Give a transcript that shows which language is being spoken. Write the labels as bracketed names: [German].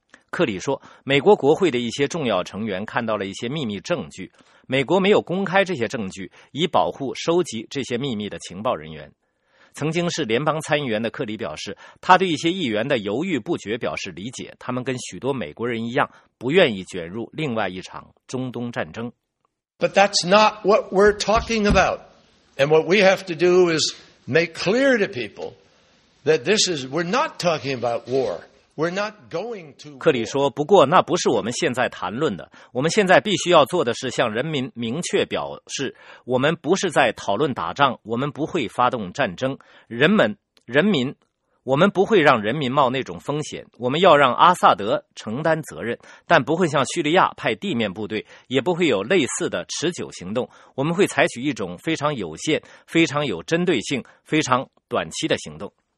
[Chinese] 克里说，美国国会的一些重要成员看到了一些秘密证据，美国没有公开这些证据以保护收集这些秘密的情报人员。曾经是联邦参议员的克里表示，他对一些议员的犹豫不决表示理解，他们跟许多美国人一样，不愿意卷入另外一场中东战争。 [English] But that's not what we're talking about. And what we have to do is make clear to people that this is, we're not talking about war. We're not going to war. [Chinese] 克里说，不过那不是我们现在谈论的。我们现在必须要做的是向人民明确表示，我们不是在讨论打仗，我们不会发动战争。人们，人民，我们不会让人民冒那种风险，我们要让阿萨德承担责任，但不会向叙利亚派地面部队，也不会有类似的持久行动，我们会采取一种非常有限、非常有针对性、非常短期的行动。